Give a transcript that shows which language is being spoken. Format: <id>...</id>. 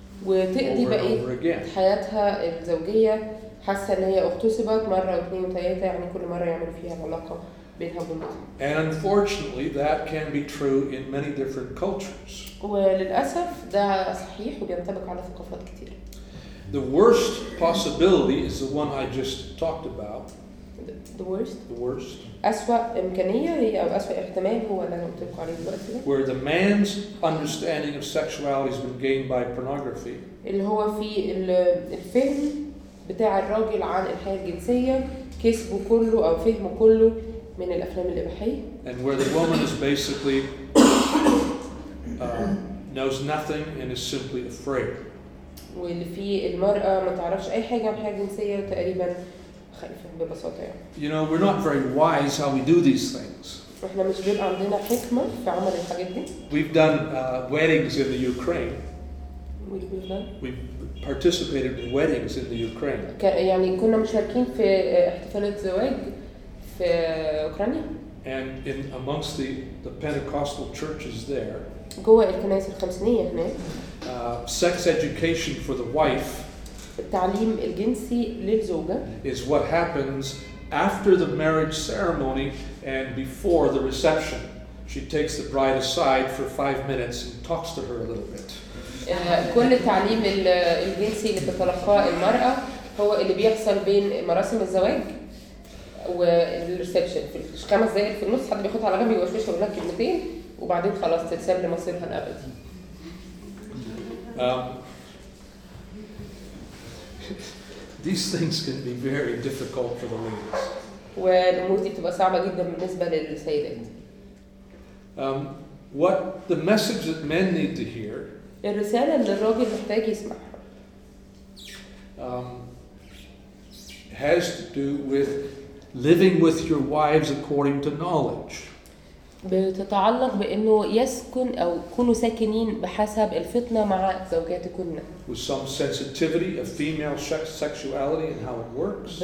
<ar>وتقضي بقية حياتها الزوجية حاسة إن هي اغتصبت مرة واثنين وثلاثة، يعني كل مرة يعمل فيها علاقة.</ar> <en>And unfortunately, that can be true in many different cultures.</en> <ar>وللأسف ده صحيح وبينطبق على ثقافات كتير.</ar> <en>The worst possibility is the one I just talked about. The worst.</en> <ar>أسوأ إمكانية هي أو أسوأ احتمال هو اللي أنا بتكلم عليه دلوقتي.</ar> <en>Where the man's understanding of sexuality has been gained by pornography.</en> <ar>اللي هو في الفهم بتاع الراجل عن الحياة الجنسية كسبه كله أو فهمه كله. من الأفلام الإباحية.</ar> <en>And where the woman is basically knows nothing and is simply afraid.</en> <ar>واللي في المرأة ما تعرفش أي حاجة عن حياة جنسية تقريبا خايفة ببساطة يعني.</ar> <en>You know we're not very wise how we do these things.</en> <ar>إحنا مش بيبقى عندنا حكمة في عمل الحاجات دي.</ar> <en>We've done weddings in the Ukraine. We've participated in weddings in the Ukraine.</en> <ar>يعني كنا مشاركين في احتفالات زواج. في أوكرانيا.</ar> <en>And in amongst the Pentecostal churches there.</en> <ar>جوا الكنائس الخمسينية هناك.</ar> <en>Sex education for the wife.</en> <ar>التعليم الجنسي للزوجة.</ar> <en>Is what happens after the marriage ceremony and before the reception. She takes the bride aside for 5 minutes and talks to her a little bit.</en> <ar>كل التعليم الجنسي اللي بتتلقاه المرأة هو اللي بيحصل بين مراسم الزواج. والريسبشن في خمس دقايق في النص حد بياخدها على جنب يوشوشها ويقول لها كلمتين وبعدين خلاص تتساب لمصيرها الابدي.</ar> <en>These things can be very difficult for the ladies.</en> <ar>والامور دي بتبقى صعبه جدا بالنسبه للسيدات.</ar> <en>What the message that men need to hear.</en> <ar>الرساله اللي الراجل محتاج يسمعها.</ar> <en>Has to do with living with your wives according to knowledge.</en> <ar>بتتعلق بانه يسكن او كونوا ساكنين بحسب الفطنه مع زوجاتكن.</ar> <en>With some sensitivity of female sexuality and how it works.</en>